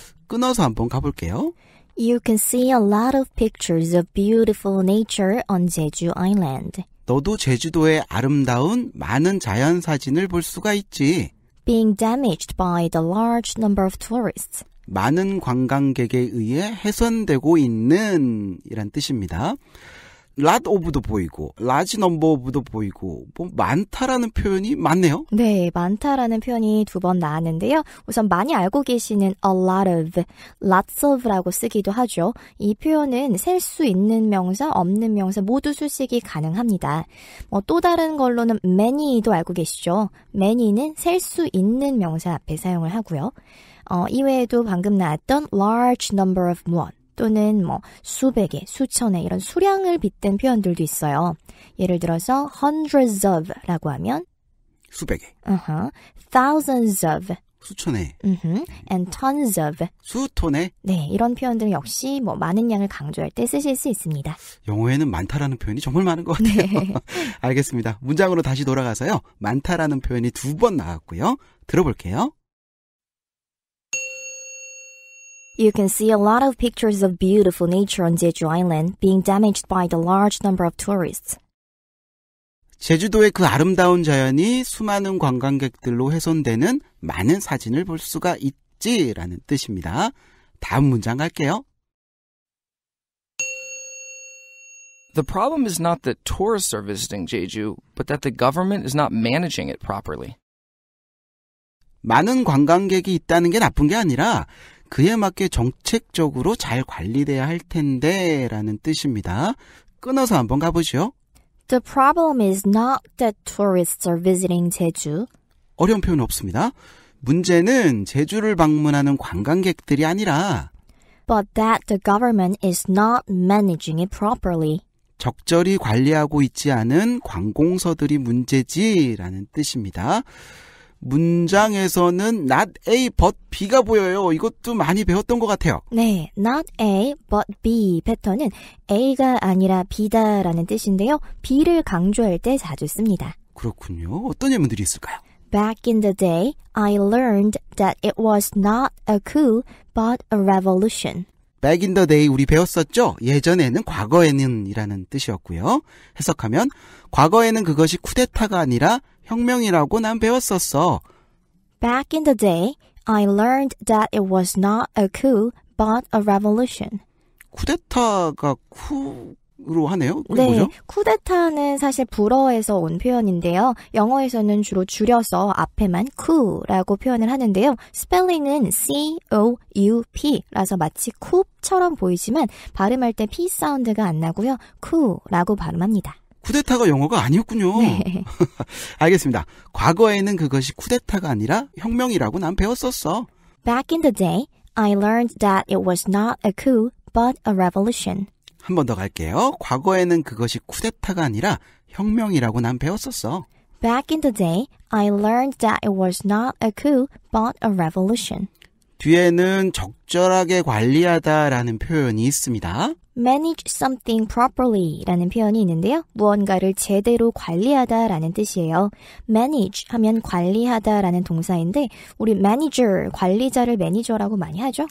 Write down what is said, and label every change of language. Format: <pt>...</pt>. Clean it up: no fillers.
<ko>끊어서 한번 가볼게요.</ko> <en>You can see a lot of pictures of beautiful nature on Jeju Island.</en> <ko>너도 제주도의 아름다운 많은 자연 사진을 볼 수가 있지.</ko> <en>Being damaged by the large number of tourists.</en> <ko>많은 관광객에 의해 훼손되고 있는 이란 뜻입니다.</ko> <en>lot of</en> <ko>도 보이고,</ko> <en>large number of</en> <ko>도 보이고, 뭐 많다라는 표현이 많네요. 네, 많다라는 표현이 두 번 나왔는데요. 우선 많이 알고 계시는</ko> <en>a lot of, lots of</en> <ko>라고 쓰기도 하죠. 이 표현은 셀 수 있는 명사, 없는 명사 모두 수식이 가능합니다. 뭐 또 다른 걸로는 many도 알고 계시죠. many는 셀 수 있는 명사 앞에 사용을 하고요. 이외에도 방금 나왔던</ko> <en>large number of</en> <ko>무언. 또는 뭐 수백의, 수천의 이런 수량을 빗댄 표현들도 있어요. 예를 들어서</ko> <en>hundreds of</en> <ko>라고 하면 수백의,</ko> <en>thousands of</en> <ko>수천의,</ko> <en>and tons of</en> <ko>수톤의. 네, 이런 표현들 역시 뭐 많은 양을 강조할 때 쓰실 수 있습니다. 영어에는 많다라는 표현이 정말 많은 것 같아요. 네. 알겠습니다. 문장으로 다시 돌아가서요. 많다라는 표현이 두 번 나왔고요. 들어볼게요.</ko> <en>You can see a lot of pictures of beautiful nature on Jeju Island being damaged by the large number of tourists.</en> <ko>제주도의 그 아름다운 자연이 수많은 관광객들로 훼손되는 많은 사진을 볼 수가 있지라는 뜻입니다. 다음 문장 갈게요.</ko> <en>The problem is not that tourists are visiting Jeju, but that the government is not managing it properly.</en> <ko>많은 관광객이 있다는 게 나쁜 게 아니라 그에 맞게 정책적으로 잘 관리돼야 할 텐데 라는 뜻입니다. 끊어서 한번 가보죠.</ko> <en>The problem is not that tourists are visiting Jeju.</en> <ko>어려운 표현 없습니다. 문제는 제주를 방문하는 관광객들이 아니라</ko> <en>But that the government is not managing it properly.</en> <ko>적절히 관리하고 있지 않은 관공서들이 문제지라는 뜻입니다. 문장에서는</ko> <en>not A, but B</en> <ko>가 보여요. 이것도 많이 배웠던 것 같아요. 네,</ko> <en>not A, but B</en> <ko>패턴은 A가 아니라 B다라는 뜻인데요. B를 강조할 때 자주 씁니다. 그렇군요. 어떤 예문들이 있을까요?</ko> <en>Back in the day, I learned that it was not a coup, but a revolution. Back in the day,</en> <ko>우리 배웠었죠? 예전에는 과거에는이라는 뜻이었고요. 해석하면 과거에는 그것이 쿠데타가 아니라 혁명이라고 난 배웠었어.</ko> <en>Back in the day, I learned that it was not a coup, but a revolution.</en> <ko>쿠데타가 쿠로 하네요? 그게 네, 뭐죠? 쿠데타는 사실 불어에서 온 표현인데요. 영어에서는 주로 줄여서 앞에만 coup라고 표현을 하는데요. 스펠링은 C-O-U-P라서 마치 coup처럼 보이지만 발음할 때 P 사운드가 안 나고요. coup라고 발음합니다. 쿠데타가 영어가 아니었군요. 네. 알겠습니다. 과거에는 그것이 쿠데타가 아니라 혁명이라고 난 배웠었어.</ko> <en>Back in the day, I learned that it was not a coup, but a revolution.</en> <ko>한 번 더 갈게요. 과거에는 그것이 쿠데타가 아니라 혁명이라고 난 배웠었어.</ko> <en>Back in the day, I learned that it was not a coup, but a revolution.</en> <ko>뒤에는 적절하게 관리하다라는 표현이 있습니다.</ko> <en>Manage something properly</en> <ko>라는 표현이 있는데요. 무언가를 제대로 관리하다라는 뜻이에요. Manage 하면 관리하다라는 동사인데 우리 manager, 관리자를 매니저라고 많이 하죠.</ko>